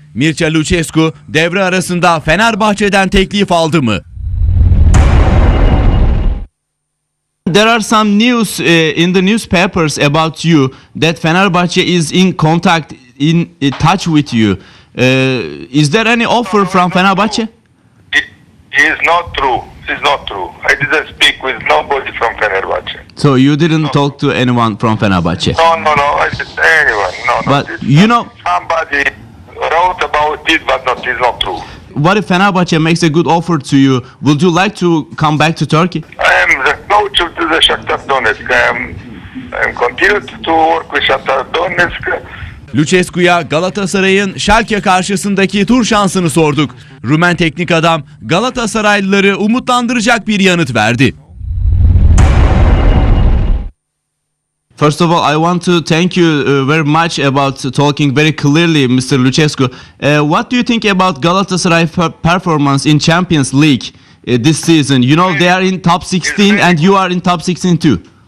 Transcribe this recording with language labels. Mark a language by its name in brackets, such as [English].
[Turkish] Mircea Lucescu devre arasında Fenerbahçe'den teklif aldı mı? [English] There are some news in the newspapers about you that Fenerbahçe is in contact, in touch with you. Is there any offer from Fenerbahçe? It is not true. I didn't speak with nobody from Fenerbahce. So you didn't talk to anyone from Fenerbahce? No. I said anyone. No. But you know, somebody wrote about it, but it is not true. What if Fenerbahce makes a good offer to you? Would you like to come back to Turkey? I am the coach of the Shakhtar Donetsk. I'm continued to work with Shakhtar Donetsk. [Turkish] Lucescu'ya Galatasaray'ın Schalke karşısındaki tur şansını sorduk. Rumen teknik adam Galatasaraylıları umutlandıracak bir yanıt verdi. [English] First of all, I want to thank you very much about talking very clearly, Mr. Lucescu. What do you think about Galatasaray performance in Champions League this season? You know they are in top 16 and you are in top 16 too.